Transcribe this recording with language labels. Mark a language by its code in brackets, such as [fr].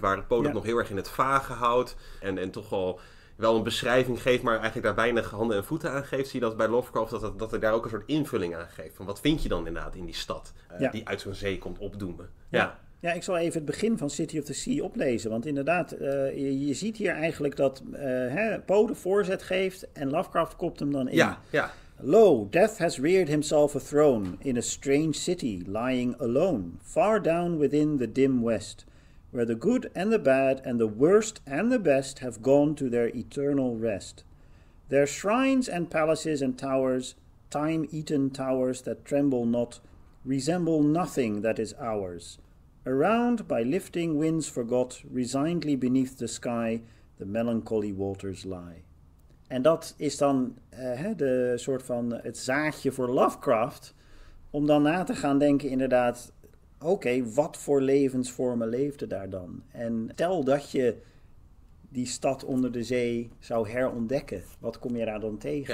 [nl] Waar Poe nog heel erg in het vage houdt. En toch wel een beschrijving geeft, maar eigenlijk daar weinig handen en voeten aan geeft. Zie je dat bij Lovecraft dat hij daar ook een soort invulling aan geeft. Van wat vind je dan inderdaad in die stad die uit zo'n zee komt opdoemen? Ja. Ja, ik zal even het begin van City of the Sea oplezen. Want inderdaad, je ziet hier eigenlijk dat Poe de voorzet geeft en Lovecraft kopt hem dan in. Ja, ja. [en] Lo, death has reared himself a throne in a strange city lying alone, far down within the dim west, where the good and the bad and the worst and the best have gone to their eternal rest. Their shrines and palaces and towers, time-eaten towers that tremble not, resemble nothing that is ours. Around, by lifting winds forgot, resignedly beneath the sky, the melancholy waters lie. [nl] En dat is dan de soort van het zaadje voor Lovecraft, om dan na te gaan denken inderdaad, oké, wat voor levensvormen leefden daar dan? En stel dat je die stad onder de zee zou herontdekken, wat kom je daar dan tegen?